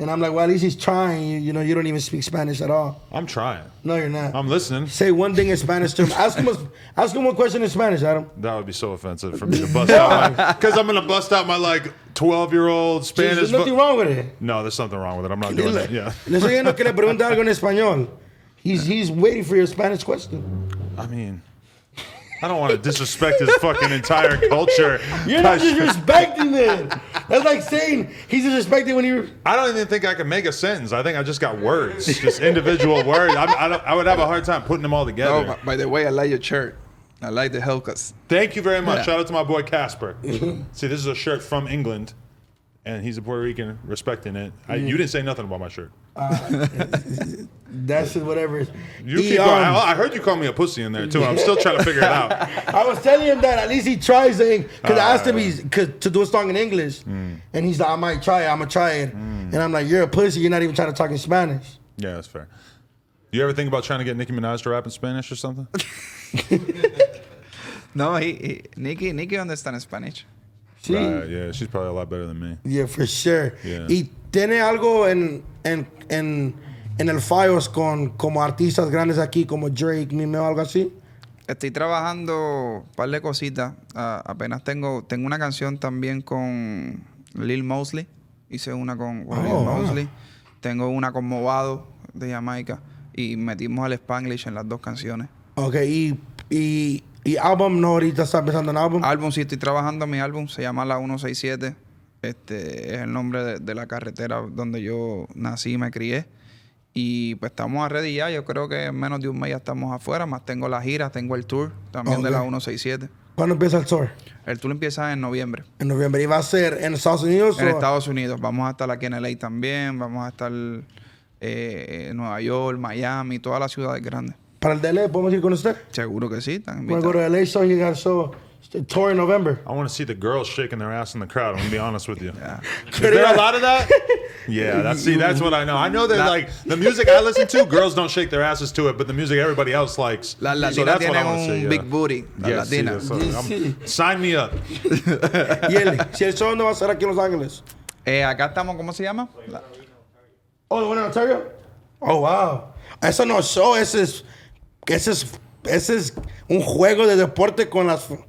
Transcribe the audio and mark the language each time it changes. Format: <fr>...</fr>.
<en>And I'm like, well, at least he's trying. You know, you don't even speak Spanish at all. I'm trying. No, you're not. I'm listening. Say one thing in Spanish to him. Ask him one question in Spanish, Adam. That would be so offensive for me to bust out. Because I'm going to bust out my, like, 12-year-old Spanish. There's nothing wrong with it. No, there's something wrong with it. I'm not doing that. Yeah.</en> <es>Le estoy diciendo que le pregunte algo en español.</es> <en>He's waiting for your Spanish question. I mean... I don't want to disrespect his fucking entire culture. You're not disrespecting it. That's like saying he's disrespected when you're... I don't even think I can make a sentence. I think I just got words. Just individual words. I would have a hard time putting them all together. Oh, by the way, I like your shirt. I like the Hellcats. Thank you very much. Yeah. Shout out to my boy Casper. See, this is a shirt from England. And he's a Puerto Rican, respecting it. You didn't say nothing about my shirt. That's just whatever. You keep going. I heard you call me a pussy in there too. I'm still trying to figure it out. I was telling him that at least he tries saying, because I asked him to do a song in English, and he's like, I'm gonna try it. And I'm like, you're a pussy. You're not even trying to talk in Spanish. Yeah, that's fair. Do you ever think about trying to get Nicki Minaj to rap in Spanish or something? No, Nicki understands Spanish.</en> <es>Sí.</es> <en>Right, yeah, she's probably a lot better than me. Yeah, for sure. Yeah.</en> <es>¿Y tiene algo en el Fios con como artistas grandes aquí, como Drake, Mimeo, algo así? Estoy trabajando un par de cositas. Apenas tengo una canción también con Lil Mosley. Hice una con Lil Mosley. Tengo una con Movado de Jamaica. Y metimos al Spanglish en las dos canciones. Ok, ¿Y álbum no ahorita estás pensando en álbum? Álbum, sí, estoy trabajando en mi álbum. Se llama La 167. Es el nombre de la carretera donde yo nací y me crié. Y pues estamos a ready ya. Yo creo que en menos de un mes ya estamos afuera. Más tengo la gira, tengo el tour también de La 167. ¿Cuándo empieza el tour? El tour empieza en noviembre. ¿En noviembre? ¿Y va a ser en Estados Unidos? En Estados Unidos. Vamos a estar aquí en LA también. Vamos a estar en Nueva York, Miami, todas las ciudades grandes. ¿Para el DLA podemos ir con usted? Seguro que sí.</es> <en>We're going to LA, so you got so tour in November. I want to see the girls shaking their ass in the crowd. I'm going to be honest with you. Yeah. Is there a lot of that? Yeah, that's what I know. I know that, like, the music I listen to, girls don't shake their asses to it, but the music everybody else likes.</en> <es>La Latina,</es> <en>so that's what I want to see. Yeah. Big booty. Yes,</en> <es>la Latina.</es> <en>See, so sign me up.</en> <es>¿Y el show no va a ser aquí en Los Ángeles? Acá estamos, ¿cómo se llama?</es> <en>Oh, the one in Ontario? Oh, wow.</en> <es>Eso no es show, eso es... Ese es un juego de deporte con las...</es>